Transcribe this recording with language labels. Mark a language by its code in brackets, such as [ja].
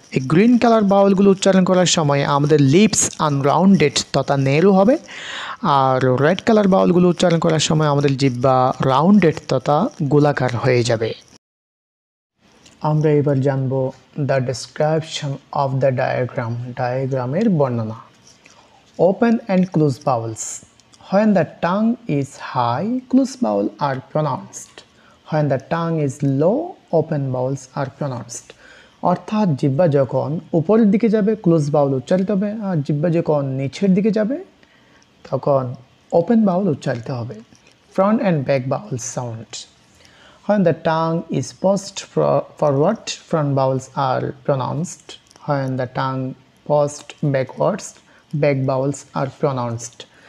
[bn] এই green colour বাউলগুলো উচ্চারণ করার সময় আমাদের লিপস আনরাউন্ডেড তথা নেরো হবে, আর রেড কালার বাউলগুলো উচ্চারণ করার সময় আমাদের জিহ্বা রাউন্ডেড তথা গোলাকার হয়ে যাবে। আমরা এবার জানব [en] the description of the diagram, [bn] ডায়াগ্রামের বর্ণনা। [en] Open and close vowels When the tongue is high, closed vowels are pronounced. When the tongue is low, open vowels are pronounced. [bn] অর্থাৎ জিহ্বা যখন উপরের দিকে যাবে ক্লোজ বাউল উচ্চারিত হবে, আর জিহ্বা যখন নিচের দিকে যাবে তখন ওপেন বাউল উচ্চারিত হবে। [en] Front and back vowel sound, when the tongue is post forward front vowels are pronounced, when the tongue post backwards back vowels are pronounced.